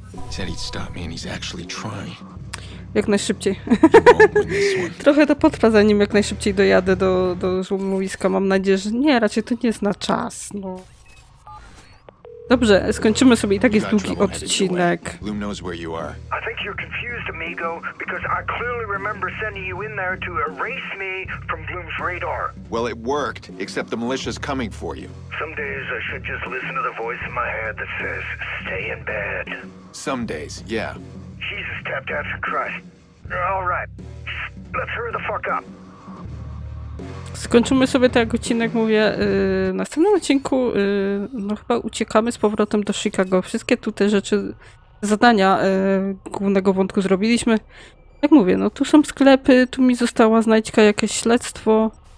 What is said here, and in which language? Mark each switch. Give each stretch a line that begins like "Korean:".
English: Said he'd stop me and he's actually trying.
Polish: Jak najszybciej. Trochę to potrwa, zanim jak najszybciej dojadę do złomowiska. Mam nadzieję, że nie, raczej to nie jest na czas. No. Dobrze, skończymy sobie. I tak jest długi odcinek.
English: Loom knows where you are. I think you're confused, amigo, because I clearly remember sending you in there to erase me from Bloom's radar. Well, it worked, except the militia's coming for you. Some days I should just listen to the voice in my head that says, stay in bed. Some days, yeah. Jesus, tapped after Christ. All right, let's hurry the fuck up.
Polish: Skończymy sobie ten odcinek, mówię, w następnym odcinku no chyba uciekamy z powrotem do Chicago. Wszystkie tu te rzeczy, zadania głównego wątku zrobiliśmy. Jak mówię, no tu są sklepy, tu mi została znajdźka, jakieś śledztwo.